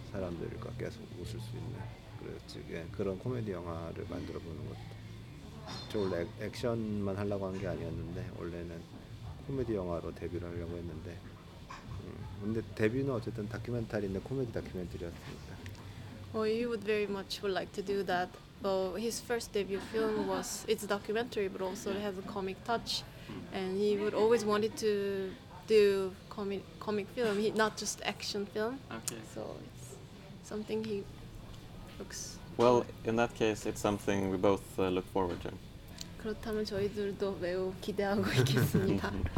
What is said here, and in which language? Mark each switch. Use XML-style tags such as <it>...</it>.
<ko>사람들과 계속 웃을 수 있는 그랬지. 예, 그런 코미디 영화를 만들어 보는 것도 원래 액션만 하려고 한 게 아니었는데 원래는 코미디 영화로 데뷔를 하려고 했는데 근데 데뷔는 어쨌든 다큐멘터리인데 코미디 다큐멘터리였으니까.</ko> <en>Well, you would very much would like to do that. Well, his first debut film was, it's a documentary, but also it has a comic touch. And he would always wanted to do comic film, not just action film. Okay. So it's something he looks... Well, in that case, it's something we both look forward to.</en> <ko>그렇다면 저희들도 매우 기대하고 있겠습니다.</ko>